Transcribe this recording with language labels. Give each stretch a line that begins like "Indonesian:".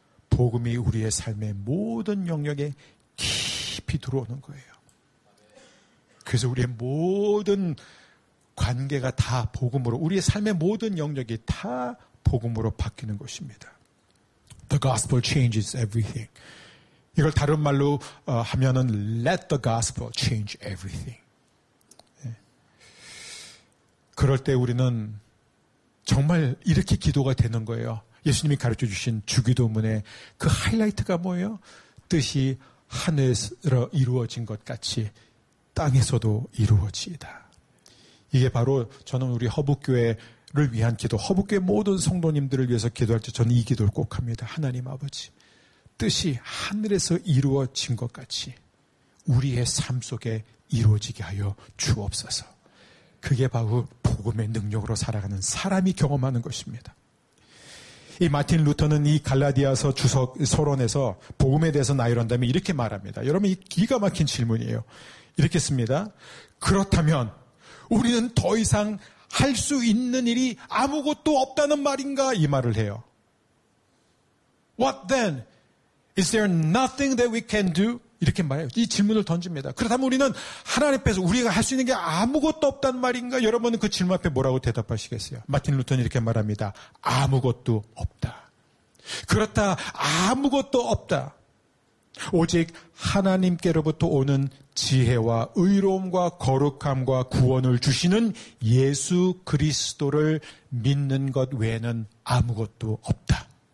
Korean: 복음이 우리의 삶의 모든 영역에 깊이 들어오는 거예요. 그래서 우리의 모든 관계가 다 복음으로, 우리의 삶의 모든 영역이 다 복음으로 바뀌는 것입니다.
English: The gospel changes everything.
Korean: 이걸 다른 말로 하면은
English: let the gospel change everything.
Korean: 그럴 때 우리는 정말 이렇게 기도가 되는 거예요. 예수님이 가르쳐 주신 주기도문의 그 하이라이트가 뭐예요? 뜻이 하늘에서 이루어진 것 같이 땅에서도 이루어지이다. 이게 바로 저는 우리 허브교회를 위한 기도, 허브교회 모든 성도님들을 위해서 기도할 때 저는 이 기도를 꼭 합니다. 하나님 아버지, 뜻이 하늘에서 이루어진 것 같이 우리의 삶 속에 이루어지게 하여 주옵소서. 그게 바로 복음의 능력으로 살아가는 사람이 경험하는 것입니다. 이 마틴 루터는 이 갈라디아서 주석 서론에서 복음에 대해서 나열한다면 이렇게 말합니다. 여러분, 이 기가 막힌 질문이에요. 이렇게 씁니다. 그렇다면 우리는 더 이상 할 수 있는 일이 아무것도 없다는 말인가? 이 말을 해요.
English: What then? Is there nothing that we can do?
Korean: 이렇게 말해요. 이 질문을 던집니다. 그렇다면 우리는 하나님 앞에서 우리가 할 수 있는 게 아무것도 없단 말인가? 여러분은 그 질문 앞에 뭐라고 대답하시겠어요? 마틴 루터는 이렇게 말합니다. 아무것도 없다. 그렇다. 아무것도 없다. 오직 하나님께로부터 오는 지혜와 의로움과 거룩함과 구원을 주시는 예수 그리스도를 믿는 것 외에는 아무것도 없다.